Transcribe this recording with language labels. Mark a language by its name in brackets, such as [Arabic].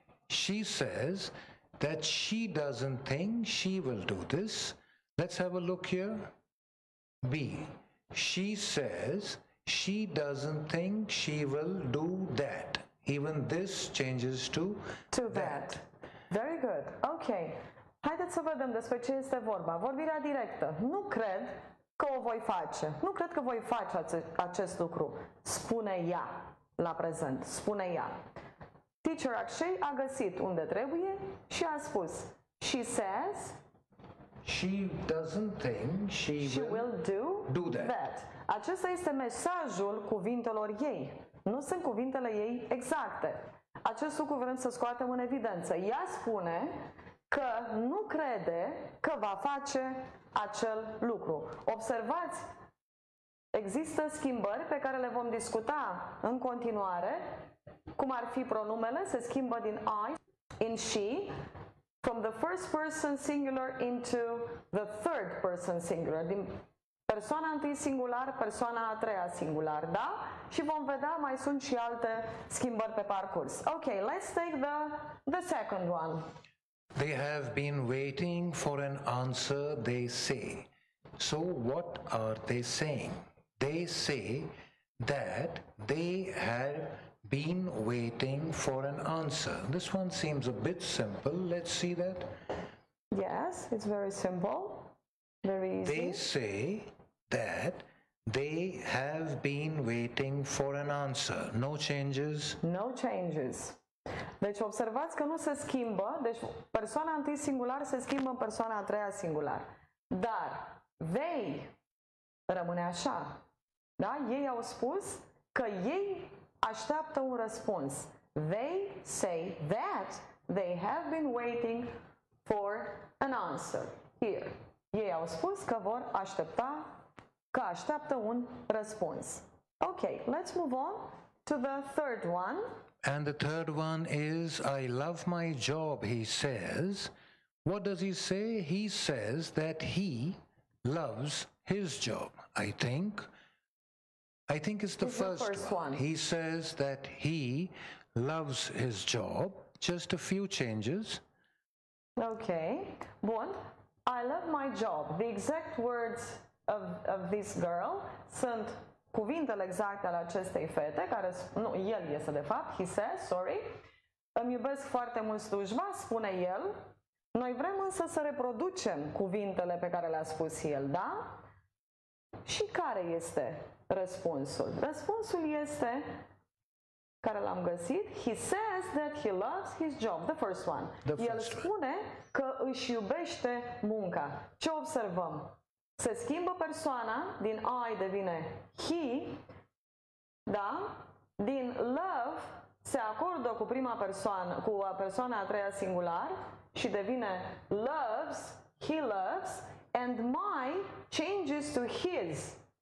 [English] She says that she doesn't think she will do this. Let's have a look here. B. She says she doesn't think she will do that. Even this changes to that. Very good. Ok. [Romanian] Haideți să vedem despre ce este vorba. Vorbirea directă. Nu cred că o voi face. Nu cred că voi face acest lucru. Spune ea la prezent. Spune ea. Teacher Akshay a găsit unde trebuie și a spus. [English] She says. She doesn't think she will do that. [Romanian] Acesta este mesajul cuvintelor ei. Nu sunt cuvintele ei exacte. Acest lucru vrem să scoatem în evidență. Ea spune că nu crede că va face acel lucru. Observați, există schimbări pe care le vom discuta în continuare, cum ar fi pronumele, se schimbă din I in she, [English] from the first person singular [Romanian] into the third person singular, din persoana întâi singular, persoana a treia singular, da? Și vom vedea, mai sunt și alte schimbări pe parcurs. [English] Ok, let's take the second one. They have been waiting for an answer, they say. So what are they saying? They say that they have been waiting for an answer. This one seems a bit simple. Let's see that. Yes, it's very simple. Very easy. They say that they have been waiting for an answer. No changes? No changes. [Romanian] Deci observați că nu se schimbă, deci persoana întâi singular se schimbă în persoana a treia singular. Dar they rămâne așa. Da? Ei au spus că ei așteaptă un răspuns. [English] They say that they have been waiting for an answer. Here. [Romanian] Ei au spus că vor aștepta, că așteaptă un răspuns. [English] Ok, let's move on to the third one. And the third one is, I love my job, he says. What does he say? He says that he loves his job, I think. I think it's the first one. He says that he loves his job. Just a few changes. Okay. Bun. I love my job. The exact words of this girl [Romanian] sunt cuvintele exacte ale acestei fete, care, nu, el este de fapt, [English] he says, sorry, [Romanian] îmi iubesc foarte mult slujba, spune el, noi vrem însă să reproducem cuvintele pe care le-a spus el, da? Și care este răspunsul? Răspunsul este, care l-am găsit, [English] he says that he loves his job, the first one. [Romanian] El spune că își iubește munca. Ce observăm? Se schimbă persoana, din I devine he, da? Din love se acordă cu prima persoană, cu persoana a treia singular și devine loves, [English] he loves, and my changes to his.